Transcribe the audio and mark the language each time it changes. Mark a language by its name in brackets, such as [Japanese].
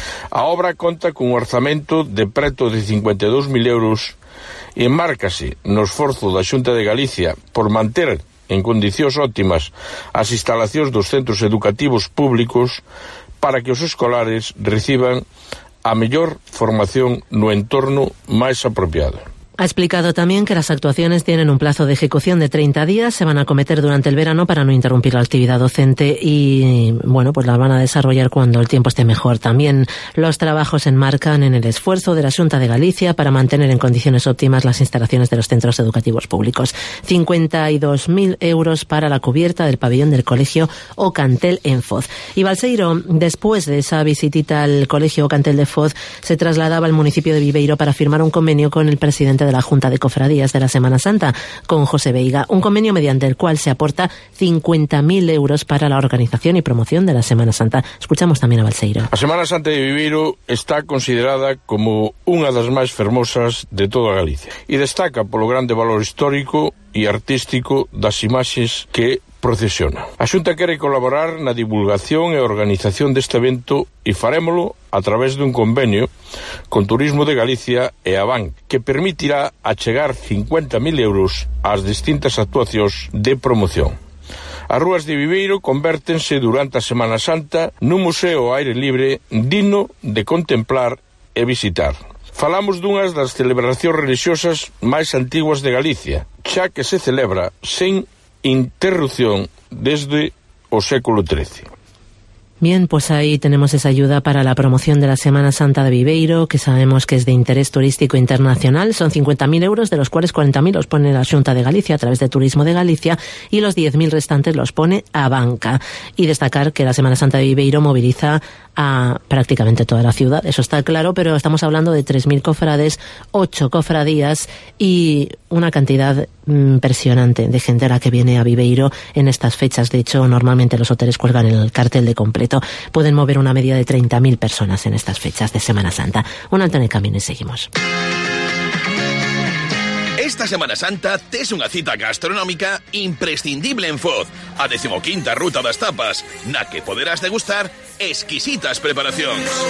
[Galician] A obra conta cun orzamento de preto de 52.000 euros e enmárcase no esforzo da Xunta de Galicia por manter en condicións óptimas as instalacións dos centros educativos públicos para que os escolares reciban a mellor formación no entorno máis apropiado. [Spanish] Ha explicado también que las actuaciones tienen un plazo de ejecución de 30 días, se van a acometer durante el verano para no interrumpir la actividad docente y, bueno, pues la van a desarrollar cuando el tiempo esté mejor. También los trabajos se enmarcan en el esfuerzo de la Xunta de Galicia para mantener en condiciones óptimas las instalaciones de los centros educativos públicos. 52.000 euros para la cubierta del pabellón del Colegio Ocantel en Foz. Y Balseiro, después de esa visitita al Colegio Ocantel de Foz, se trasladaba al municipio de Viveiro para firmar un convenio con el presidente de la Junta de Cofradías de la Semana Santa, con José Veiga, un convenio mediante el cual se aporta 50.000 euros para la organización y promoción de la Semana Santa. Escuchamos también a Balseiro. La Semana Santa de Viveiro está considerada como una de las más hermosas de toda Galicia y destaca por lo grande valor histórico y artístico [Galician] das imaxes que procesiona. A Xunta quere colaborar na divulgación e organización deste evento e farémolo a través dun convenio con Turismo de Galicia e Abanc, que permitirá achegar 50.000 euros ás distintas actuacións de promoción. As rúas de Viveiro convértense durante a Semana Santa nun museo ao aire libre digno de contemplar e visitar. Falamos dunhas das celebracións religiosas máis antiguas de Galicia, xa que se celebra sen interrupción desde o século XIII. [Spanish] Bien, pues ahí tenemos esa ayuda para la promoción de la Semana Santa de Viveiro, que sabemos que es de interés turístico internacional. Son 50.000 euros, de los cuales 40.000 los pone la Xunta de Galicia a través de Turismo de Galicia y los 10.000 restantes los pone a banca. Y destacar que la Semana Santa de Viveiro moviliza a prácticamente toda la ciudad, eso está claro, pero estamos hablando de 3.000 cofrades, 8 cofradías y una cantidad impresionante de gente a la que viene a Viveiro en estas fechas. De hecho, normalmente los hoteles cuelgan el cartel de completo. Pueden mover una media de 30.000 personas en estas fechas de Semana Santa. Un alto en el camino y seguimos. [Galician] Esta Semana Santa tes unha cita gastronómica imprescindible en Foz, a 15ª Ruta das Tapas, na que poderás degustar exquisitas preparacións.